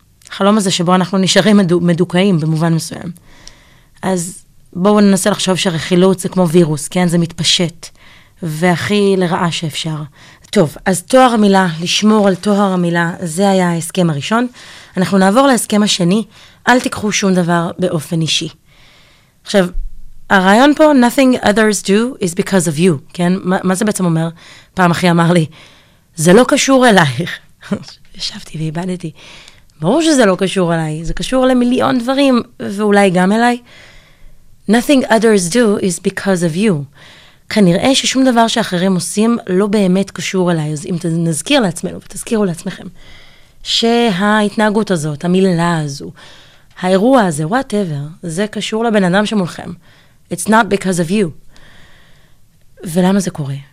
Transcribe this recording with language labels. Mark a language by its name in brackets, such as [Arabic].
[Hebrew] החלום הזה שבו אנחנו נשארים מדוקאים במובן מסוים. אז בואו ננסה לחשוב שרכילות זה כמו וירוס, כן? זה מתפשט. והכי לרעה שאפשר. טוב, אז תואר המילה, לשמור על תואר המילה, זה היה ההסכם הראשון. אנחנו נעבור להסכם השני, אל תיקחו שום דבר באופן אישי. עכשיו, הרעיון פה, [English] nothing others do is because of you, [Hebrew] כן? מה זה בעצם אומר? פעם אחי אמר לי, זה לא קשור אלייך. ישבתי ואיבדתי. ברור שזה לא קשור אליי, זה קשור למיליון דברים, ואולי גם אליי. [English] Nothing others do is because of you. [Hebrew] כנראה ששום דבר שאחרים עושים לא באמת קשור אליי, אז אם נזכיר לעצמנו ותזכירו לעצמכם, שההתנהגות הזאת, המילה הזו, האירוע הזה, whatever, זה קשור לבן אדם שמולכם. [English] It's not because of you. [Hebrew] ולמה זה קורה?